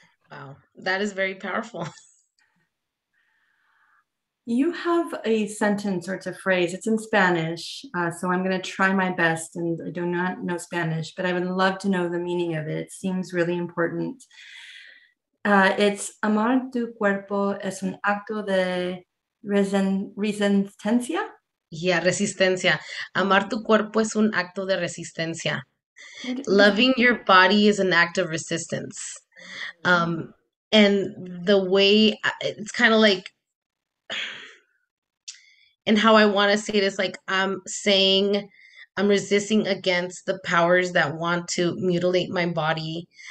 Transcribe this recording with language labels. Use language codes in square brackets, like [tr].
[en] Wow, that is very powerful. You have a sentence or it's a phrase, it's in Spanish. So I'm gonna try my best and I do not know Spanish, but I would love to know the meaning of it. It seems really important. It's [es] amar tu cuerpo es un acto de resistencia. Yeah, resistencia. Amar tu cuerpo es un acto de resistencia. [en] Loving your body is an act of resistance. And the way it's kind of like, and how I want to say it is like, I'm saying I'm resisting against the powers that want to mutilate my body,